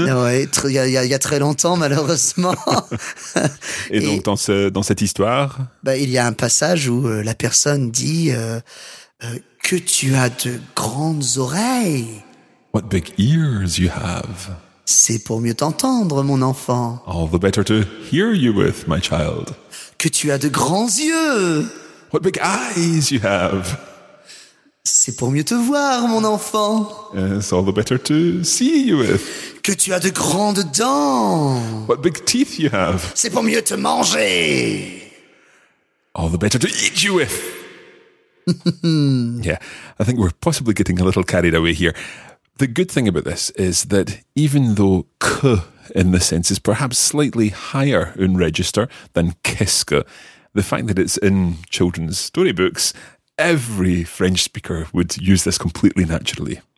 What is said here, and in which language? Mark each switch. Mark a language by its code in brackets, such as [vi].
[fr] Oui, il y a très longtemps, malheureusement. Et donc, dans cette histoire bah, il y a un passage où la personne dit que tu as de grandes oreilles. [en] What big ears you have. [fr] C'est pour mieux t'entendre, mon enfant. [en] All the better to hear you with, my child. [fr] Que tu as de grands yeux. [en] What big eyes you have. [fr] C'est pour mieux te voir, mon enfant. [en] Yes, all the better to see you with. [fr] Que tu as de grandes dents. [en] What big teeth you have. [fr] C'est pour mieux te manger. [en] all the better to eat you with. Yeah, I think we're possibly getting a little carried away here. The good thing about this is that even though k in the sense is perhaps slightly higher in register than kiske, the fact that it's in children's storybooks, every French speaker would use this completely naturally.